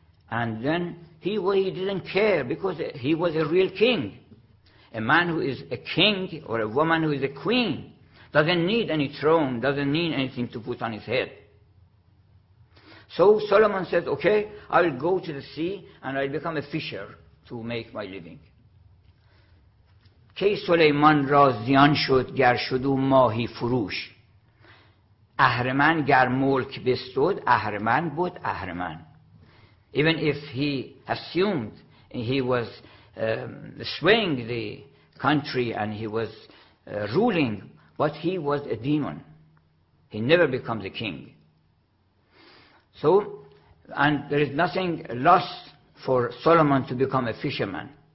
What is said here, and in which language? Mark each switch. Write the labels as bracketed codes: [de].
[en] And then he didn't care, because he was a real king. A man who is a king, or a woman who is a queen, doesn't need any throne, doesn't need anything to put on his head. So Solomon said, "Okay, I'll go to the sea and I'll become a fisher to make my living." [fa] کی سلیمان را زیان شد گر شد و ماهی فروش اهرمن گر ملک بستود اهرمن بود اهرمن. [en] Even if he assumed he was swaying the country and he was ruling, but he was a demon, he never becomes a king. So, and there is nothing lost for Solomon to become a fisherman.